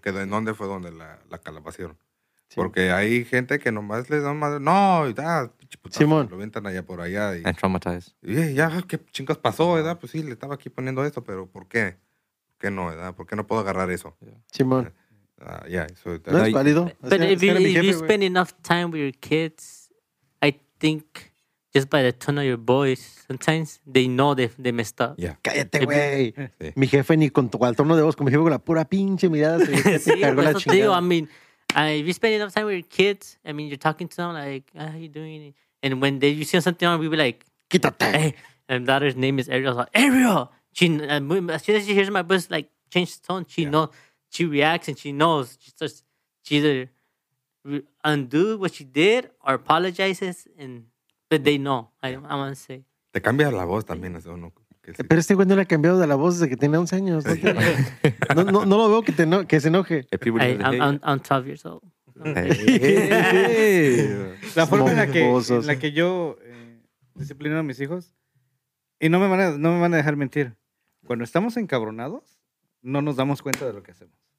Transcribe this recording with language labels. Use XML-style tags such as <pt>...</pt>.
<es>Que de dónde fue donde la calabacieron. Sí. Porque hay gente que nomás les da madre. No, ya, putazo, Simón. Lo ventan allá por allá. Y traumatized. Y ya, ¿qué chingas pasó, verdad? Pues sí, le estaba aquí poniendo esto, pero ¿por qué? ¿Por qué no, verdad? ¿Por qué no puedo agarrar eso? Simón.</es> <en>Yeah,</en> <es>so, no es válido.</es> <en>Pero if you spend enough time with your kids, I think just by the tone of your voice, sometimes they know they messed up. Yeah.</en> <es>Cállate, güey. Sí. Mi jefe ni con el tono de voz, con mi jefe con la pura pinche mirada. Se sí, cargó la chingada.</es> <en>Digo, if you spend enough time with your kids, I mean, you're talking to them like, oh, how are you doing? And when they you see something on, we be like,</en> <es>quítate.</es> <en>Hey, and daughter's name is Ariel. Like, Ariel. As soon as she hears my voice, like, change tone. She knows. She reacts and she knows. She either undo what she did or apologizes, but they know. I want to say.</en> <es>Te cambia la voz también, ¿sí? ¿No? Sí. Pero este güey no le ha cambiado de la voz desde que tiene 11 años. ¿No? No lo veo que se enoje.</es> <en>Hey, I'm 12 years old. Hey.</en> <es>La forma en la que yo disciplino a mis hijos, y no me van a dejar mentir, cuando estamos encabronados, no nos damos cuenta de lo que hacemos.</es>